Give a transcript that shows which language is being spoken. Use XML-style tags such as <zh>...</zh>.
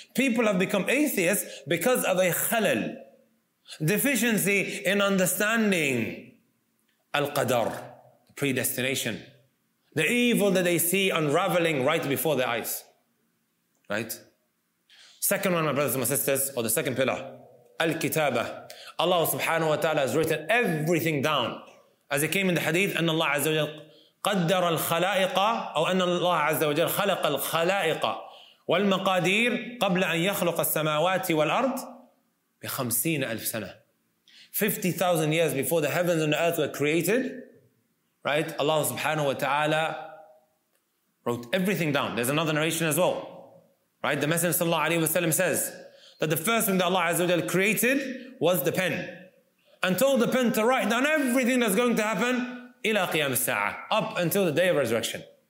<en>People have become atheists because of a khalal, deficiency in understanding al-qadar, the predestination, the evil that they see unraveling right before their eyes. Right? Second one, my brothers and my sisters, or the second pillar, al-kitabah. Allah subhanahu wa ta'ala has written everything down. As it came in the hadith,</en> <ar>أن الله عز وجل قدر الخلائق أو أن الله عز وجل خلق الخلائق والمقادير قبل أن يخلق السماوات والأرض بخمسين ألف سنة.</ar> <en>50,000 years before the heavens and the earth were created, right? Allah subhanahu wa ta'ala wrote everything down. There's another narration as well, right? The Messenger sallallahu alayhi wa sallam says that the first thing that Allah azza wa jalla created was the pen, and told the pen to write down everything that's going to happen</en> <ar>ila qiyam as-sa'ah,</ar> <en>up until the day of resurrection.</en>